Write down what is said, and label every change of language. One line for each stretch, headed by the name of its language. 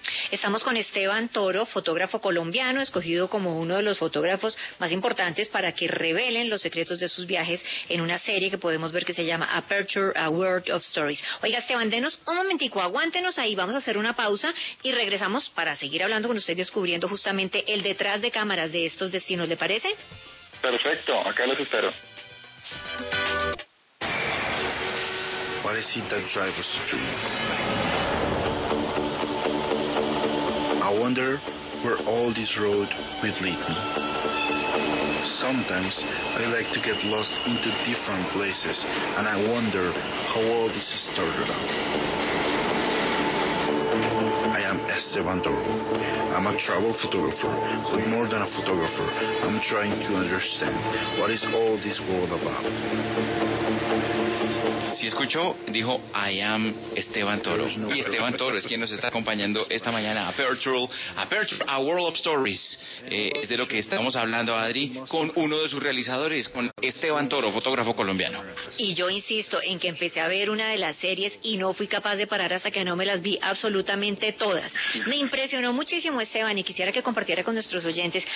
Spanish: Estamos con Esteban Toro, fotógrafo colombiano, escogido como uno de los fotógrafos más importantes para que revelen los secretos de sus viajes en una serie que podemos ver que se llama Aperture, A World of Stories. Oiga, Esteban, denos un momentico, aguántenos ahí, vamos a hacer una pausa y regresamos para seguir hablando con usted, descubriendo justamente el detrás de cámaras de estos destinos, ¿le parece? Perfecto, acá los espero.
English: What is it that drives us to? I wonder where all this road will lead me. Sometimes I like to get lost into different places, and I wonder how all this started out. I am Esteban Toro. I'm a travel photographer, but more than a photographer, I'm trying to understand what is all this world about.
Spanish: Si escuchó, dijo,
English: I am Esteban Toro.
Spanish: Y Esteban Toro es quien nos está acompañando esta mañana.
English: Aperture, A World of Stories.
Spanish: Es de lo que estamos hablando, Adri, con uno de sus realizadores, con Esteban Toro, fotógrafo colombiano. Y yo insisto en que empecé a ver una de las series y no fui capaz de parar hasta que no me las vi absolutamente todas. Me impresionó muchísimo, Esteban, y quisiera que compartiera con nuestros oyentes.